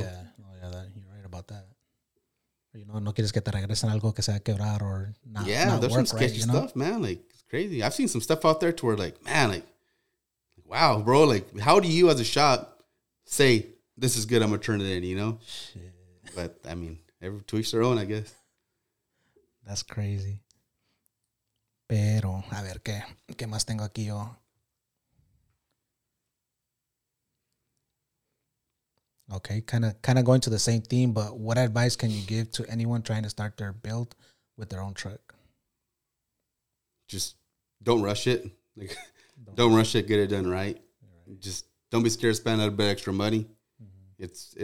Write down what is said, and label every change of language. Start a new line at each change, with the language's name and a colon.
Spanish: Yeah, you're right about that. You know, no quieres que te regresen algo que sea quebrar or not.
English: Yeah, there's some sketchy stuff, man. Like, it's crazy. I've seen some stuff out there to where, like, man, like, wow, bro, like, how do you as a shop say, this is good, I'm going to turn it in, you know? Shit. But, I mean, every to each their own, I guess. That's crazy.
Spanish: Pero, a ver, ¿qué más tengo aquí yo?
English: Okay, kind of going to the same theme, but what advice can you give to anyone trying to start their build with their own truck? Just don't rush it. Like, don't rush it. Get it done right. Just don't be scared to spend a little bit extra money. Mm-hmm.